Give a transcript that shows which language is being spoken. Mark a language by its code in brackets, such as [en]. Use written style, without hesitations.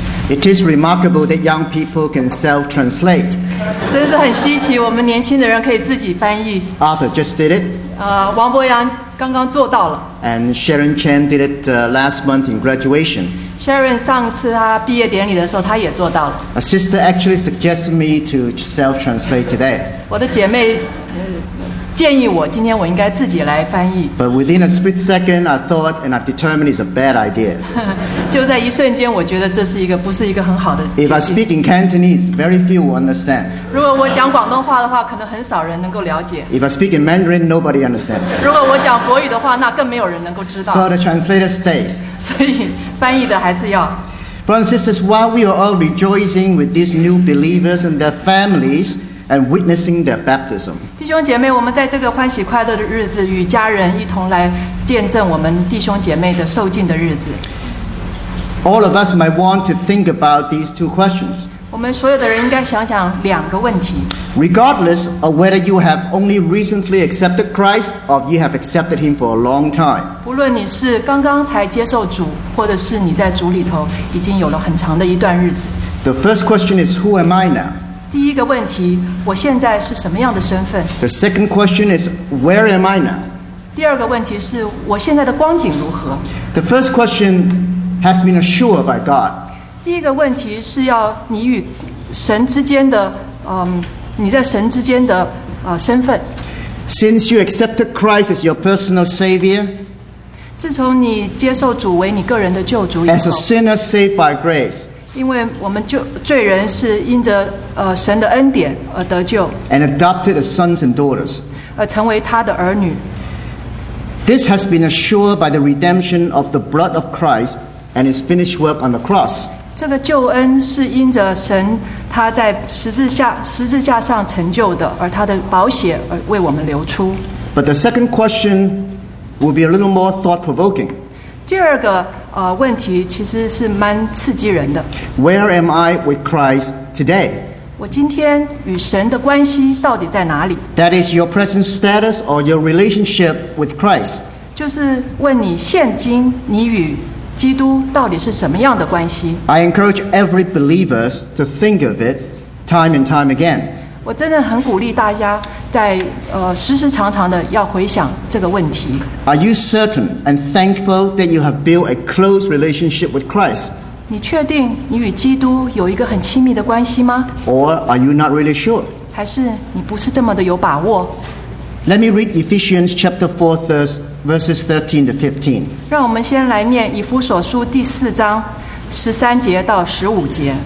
[en] It is remarkable that young people can self-translate. [zh] 真是很稀奇，我们年轻的人可以自己翻译。 [en] Arthur just did it. [zh] 王伯阳刚刚做到了。 [en] And Sharon Chen did it last month in graduation. [zh] Sharon 上次她毕业典礼的时候，她也做到了。 [en] A sister actually suggested me to self-translate today. [zh] 我的姐妹建议我今天我应该自己来翻译。 [en] But within a split second, I thought and I determined it's a bad idea. [zh] 就在一瞬间，我觉得这是一个不是一个很好的。 [en] If I speak in Cantonese, very few will understand. [zh] 如果我讲广东话的话，可能很少人能够了解。 [en] If I speak in Mandarin, nobody understands. [zh] 如果我讲国语的话，那更没有人能够知道。 [en] So the translator stays. [zh] 所以翻译的还是要。 [en] Brothers and sisters, while we are all rejoicing with these new believers and their families. And witnessing their baptism. [zh] 弟兄姐妹，我们在这个欢喜快乐的日子，与家人一同来见证我们弟兄姐妹的受浸的日子。 [en] All of us might want to think about these two questions. [zh] 我们所有的人应该想想两个问题。 [en] Regardless of whether you have only recently accepted Christ or you have accepted Him for a long time. [zh] 不论你是刚刚才接受主，或者是你在主里头已经有了很长的一段日子。 [en] The first question is, who am I now? [zh] 第一个问题，我现在是什么样的身份 [en] ？The second question is, where am I now? [zh] 第二个问题是我现在的光景如何 [en] ？The first question has been assured by God. [zh] 第一个问题是要你与神之间的，你在神之间的身份。 [en] Since you accepted Christ as your personal savior, [zh] 自从你接受主为你个人的救主以后 [en] ，as a sinner saved by grace. [zh] 因为我们就罪人是因着神的恩典而得救 [en] ，and adopted as sons and daughters， [zh] 而成为他的儿女。 [en] This has been assured by the redemption of the blood of Christ and His finished work on the cross。 [zh] 这个救恩是因着神他在十字架上成就的，而他的宝血而为我们流出。 [en] But the second question will be a little more thought-provoking。 [zh] 第二个。问题其实是蛮刺激人的。 [en] Where am I with Christ today? [zh] 我今天与神的关系到底在哪里 [en] ？That is your present status or your relationship with Christ. [zh] 就是问你现今你与基督到底是什么样的关系 [en] ？I encourage every believer to think of it time and time again. [zh] 我真的很鼓励大家在时时常常的要回想这个问题。 [en] Are you certain and thankful that you have built a close relationship with Christ? [zh] 你确定你与基督有一个很亲密的关系吗 [en] ？Or are you not really sure? [zh] 还是你不是这么的有把握 [en] ？Let me read Ephesians chapter 4 verses 13 to 15. [zh] 让我们先来念以弗所书第四章十三节到十五节。